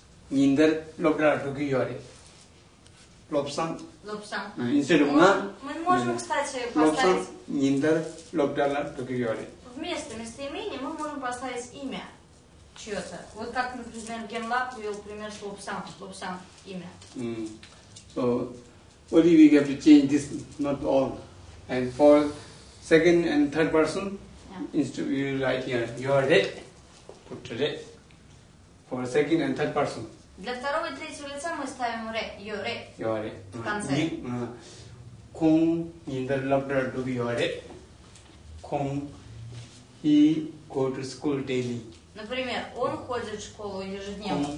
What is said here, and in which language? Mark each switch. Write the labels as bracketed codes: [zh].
[bo] Ниндар лоптала доги йоре. Лопсан. [en] Instead of [ru] мы можем, кстати, поставить [bo] ниндар лоптала токиори. [ru] Вместо местоимения мы можем поставить имя чьё-то. Вот как, например, Генлап привел пример с лопсан. Лопсан имя. [en] So, only we have to change this, not all. And for second and third person, instead we write here, yore, put re. For second and third person. [ru] Для второго и третьего лица мы ставим ре, йоре. [bo] Йоре. [ru] В конце. [bo] Кунг ниндар лоптала доги йоре. Кунг и [en] go to school daily. [ru] Например, он ходит в школу ежедневно.